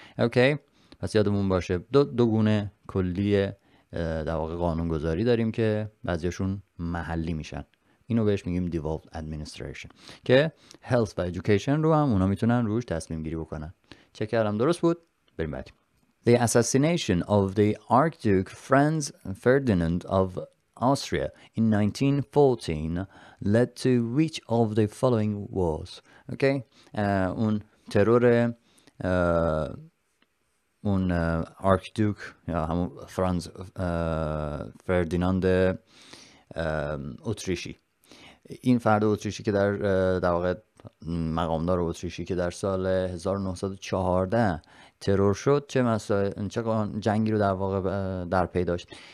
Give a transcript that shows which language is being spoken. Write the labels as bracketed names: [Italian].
[Persian] اوکی، پس یادمون باشه دو گونه کلی در واقع قانون گذاری داریم که بعضیاشون محلی میشن، اینو بهش میگیم devolved administration، که health و education رو هم اونا میتونن روش تصمیم گیری بکنن. چه کردم درست بود؟ بریم بعدیم. [English] The assassination of the Archduke Franz Ferdinand of Austria in 1914 led to which of the following wars? Okay. [Persian] اون ترور اون Archduke یا همون فرانز فردیناند اتریشی، این فرد اتریشی که در واقع مقامدار اتریشی که در سال 1914 ترور شد، چه جنگی رو در واقع در پی داشت.